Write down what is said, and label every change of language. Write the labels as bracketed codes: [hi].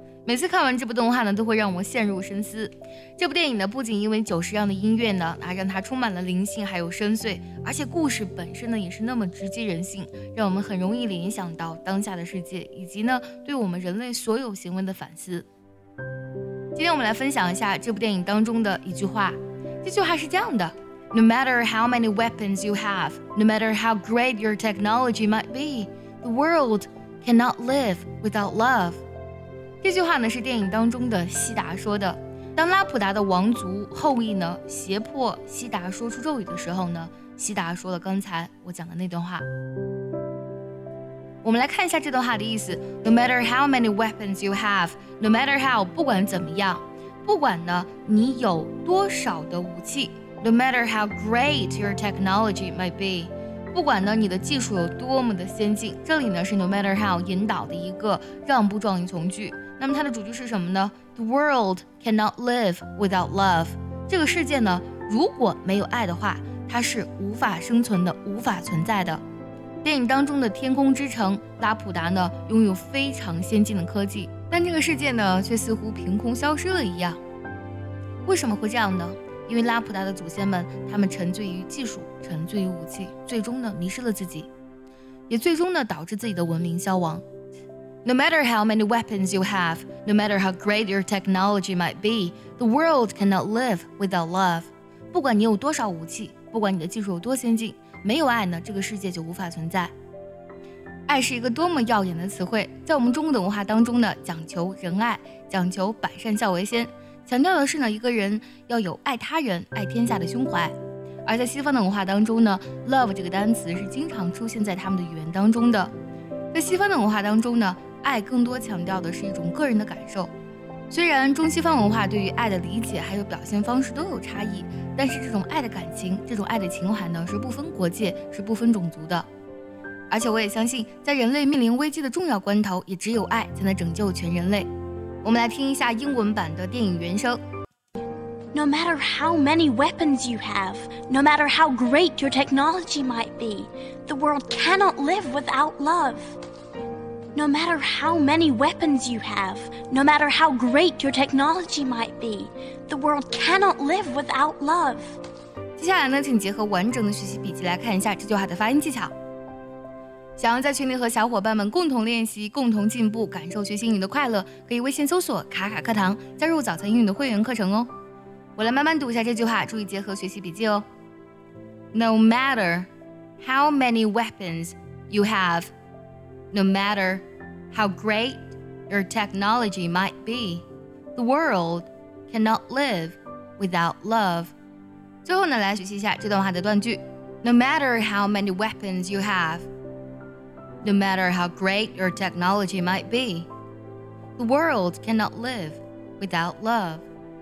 [zh] 每次看完这部动画呢，都会让我陷入深思。这部电影呢，不仅因为久石让的音乐呢，啊，让它充满了灵性还有深邃，而且故事本身呢，也是那么直击人性，让我们很容易联想到当下的世界，以及呢，对我们人类所有行为的反思。今天我们来分享一下这部电影当中的一句话。这句话是这样的。 [en] No matter how many weapons you have, no matter how great your technology might be, the world cannot live without love. [zh] 这句话呢是电影当中的悉达说的。当拉普达的王族后裔呢胁迫悉达说出咒语的时候呢，悉达说了刚才我讲的那段话。我们来看一下这段话的意思。 [en] No matter how many weapons you have, no matter how, [zh] 不管怎么样，不管呢你有多少的武器。 [en] No matter how great your technology might be, [zh] 不管呢你的技术有多么的先进，这里呢是 no matter how 引导的一个让步状语从句。那么它的主句是什么呢 ？ [en] The world cannot live without love. [zh] 这个世界呢，如果没有爱的话，它是无法生存的，无法存在的。电影当中的天空之城拉普达呢，拥有非常先进的科技，但这个世界呢，却似乎凭空消失了一样。为什么会这样呢？因为拉普达的祖先们，他们沉醉于技术，沉醉于武器，最终呢迷失了自己，也最终呢导致自己的文明消亡。 [en] No matter how many weapons you have, no matter how great your technology might be, the world cannot live without love. [zh] 不管你有多少武器，不管你的技术有多先进，没有爱呢，这个世界就无法存在。爱是一个多么耀眼的词汇，在我们中国的文化当中呢，讲求仁爱，讲求百善孝为先，强调的是呢，一个人要有爱他人、爱天下的胸怀。而在西方的文化当中呢 ，love 这个单词是经常出现在他们的语言当中的。在西方的文化当中呢，爱更多强调的是一种个人的感受。虽然中西方文化对于爱的理解还有表现方式都有差异，但是这种爱的感情、这种爱的情怀呢，是不分国界、是不分种族的。而且我也相信，在人类面临危机的重要关头，也只有爱才能拯救全人类。我们来听一下英文版的电影原声。 [en] No matter how many weapons you have, no matter how great your technology might be, the world cannot live without love. No matter how many weapons you have, no matter how great your technology might be, the world cannot live without love. [zh] 接下来呢，请结合完整的学习笔记来看一下这句话的发音技巧。想要在群里和小伙伴们共同练习、共同进步、感受学习英语的快乐，可以微信搜索卡卡课堂，加入早餐英语的会员课程哦。我来慢慢读一下这句话，注意结合学习笔记哦。 [en] No matter how many weapons you have, no matter how great your technology might be, the world cannot live without love. [zh] 最后呢，来学习一下这段话的断句。 [en] No matter how many weapons you have,No matter how great your technology might be, the world cannot live without love.